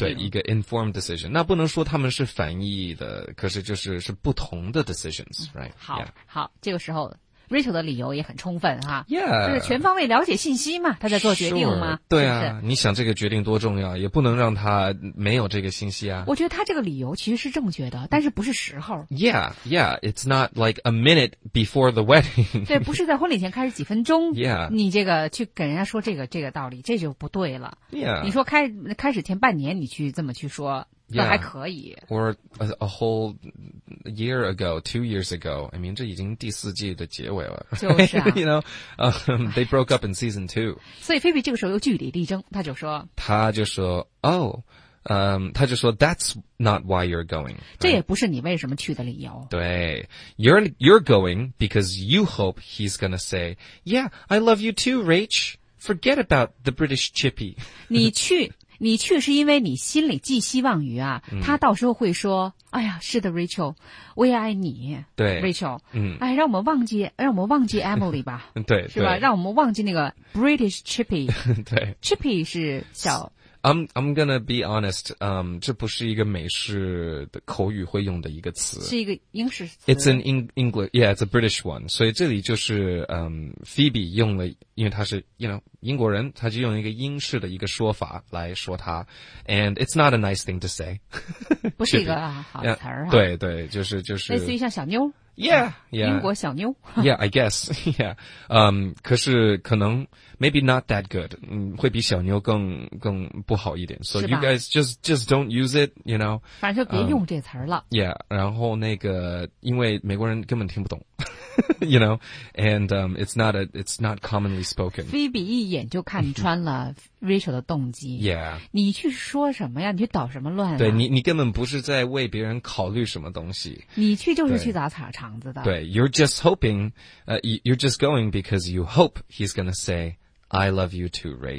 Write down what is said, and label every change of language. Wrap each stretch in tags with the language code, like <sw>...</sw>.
<zh>对一个 informed decision 那不能说他们是反义的可是就是不同的</zh> <en>decisions right</en> <zh>好、</zh> <en>yeah.</en> <zh>好这个时候Rachel 的理由也很充分哈、啊、</zh> <en>yeah,</en> <zh>就是全方位了解信息嘛他在做决定嘛</zh> <en>sure,</en> <zh>对啊是是你想这个决定多重要也不能让他没有这个信息啊我觉得他这个理由其实是正确的但是不是时候</zh> <en>Yeah, yeah, it's not like a minute before the wedding</en> <zh>对不是在婚礼前开始几分钟</zh> <en>Yeah,</en> <zh>你这个去跟人家说这个道理这就不对了</zh> <en>Yeah,</en> <zh>你说开始前半年你去这么去说那、</zh> <en>yeah,</en> <zh>还可以</zh> <en>or a whole year ago, 2 years ago. I mean,</en> <zh>这已经第四季的结尾了。就是啊。</zh> <en>you know,、they broke up in season two.</en> <zh>所以菲比这个时候又据理力争他就说</zh> <en>oh,</en> <zh>他就说</zh> <en>that's not why you're going.</en> <zh>这也不是你为什么去的理由。对。</zh> <en>You're going because you hope he's gonna say, yeah, I love you too, Rach. Forget about the British chippy.</en> <zh>你去是因为你心里寄希望于啊，他到时候会说，哎呀，是的 ，Rachel， 我也爱你。对，Rachel， 哎，让我们忘记 Emily 吧。对，是吧？让我们忘记那个 British Chippy。对，Chippy 是小。</zh> <en>I'm gonna be honest.</en> <zh>这不是一个美式的口语会用的一个词，是一个英式词。</zh> <en>It's an English, yeah, it's a British one.</en> <zh>所以这里就是Phoebe 用了，因为他是</zh> <en>you know</en> <zh>英国人，他就用一个英式的一个说法来说他。</zh> <en>And it's not a nice thing to say.</en> <zh>不是一个好词儿、啊。对对，就是类似于像小妞。</zh> <en>Yeah, yeah.</en> <zh>英国小妞。</zh> <en>Yeah, I guess. Yeah.</en> <zh>可是可能</zh> <en>maybe not that good.</en> <zh>会比小妞更不好一点。</zh> <en>So you guys just don't use it, you know.</en> <zh>反正就别用这词儿了。</zh> <en>Yeah.</en> <zh>然后那个因为美国人根本听不懂。</zh> <en>you know. And, it's not commonly spoken.</en> <zh>Phoebe 一眼就看穿了 Rachel 的动机。</zh> <en>Yeah.</en> <zh>你去说什么呀你去捣什么乱、啊、对你根本不是在为别人考虑什么东西。你去就是去砸场。肠子的</zh> <en>对 you're just hoping you're just going because you hope he's gonna say I love you too Rach</en>